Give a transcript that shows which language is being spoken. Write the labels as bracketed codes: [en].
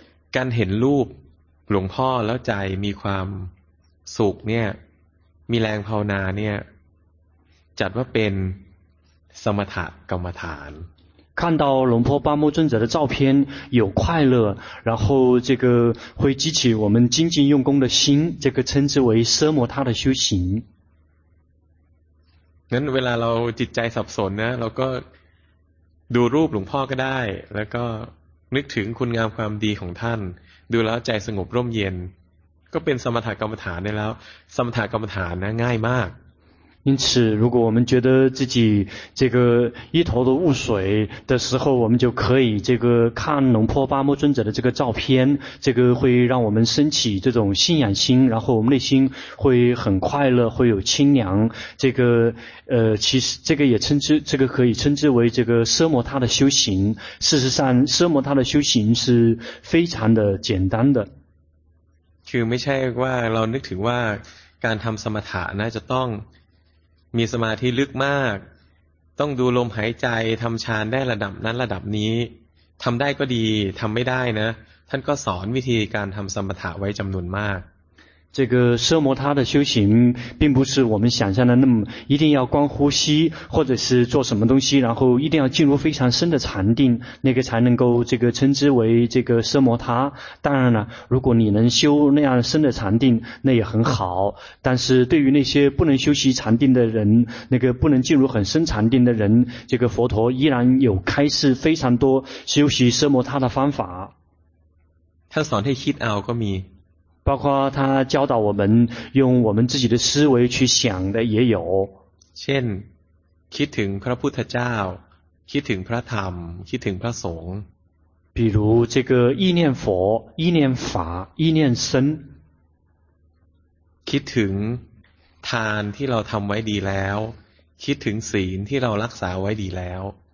[th] 干很露 หลวงพ่อแล้วใจมีความสุขเนี่ยมีแรงภาวนาเนี่ยจัดว่าเป็นสมถกรรมฐาน [zh] 看到龙婆巴木尊者的照片有快乐然后这个会激起我们精进用功的心这个称之为奢摩他的修行 [th] งั้นเวลาเราจิตใจสับสนนะเราก็ดูรูปหลวงพ่อก็ได้แล้วก็นึกถึงคุณงามความดีของท่านดูแล้วใจสงบร่มเย็นก็เป็นสมถกรรมฐานได้แล้วสมถกรรมฐานนะง่ายมาก [zh] 因此如果我们觉得自己这个一头的雾水的时候我们就可以这个看龙婆巴木尊者的这个照片这个会让我们升起这种信仰心然后我们内心会很快乐会有清凉这个其实这个也称之这个可以称之为这个奢摩他的修行事实上奢摩他的修行是非常的简单的 [th] คือไม่ใช่ว่าเรานึกถึงว่า การทำสมถะนะจะต้องมีสมาธิลึกมากต้องดูลมหายใจทำฌานได้ระดับนั้นระดับนี้ทำได้ก็ดีทำไม่ได้นะท่านก็สอนวิธีการทำสมถะไว้จำนวนมาก [zh] 这个奢摩他的修行并不是我们想象的那么一定要观呼吸或者是做什么东西然后一定要进入非常深的禅定那个才能够这个称之为这个奢摩他当然了如果你能修那样深的禅定那也很好但是对于那些不能修习禅定的人那个不能进入很深禅定的人这个佛陀依然有开示非常多修习奢摩他的方法 [th] 他สอนให้คิดเอาก็มี [zh] 包括他教导我们用我们自己的思维去想的也有 [th] เช่นคิดถึงพระพุทธเจ้าคิดถึงพระธรรมคิดถึงพระสงฆ์ [zh] 比如这个意念佛意念法意念僧 [th] คิดถึงทานที่เราทำไว้ดีแล้วคิดถึงศีลที่เรารักษาไว้ดีแล้ว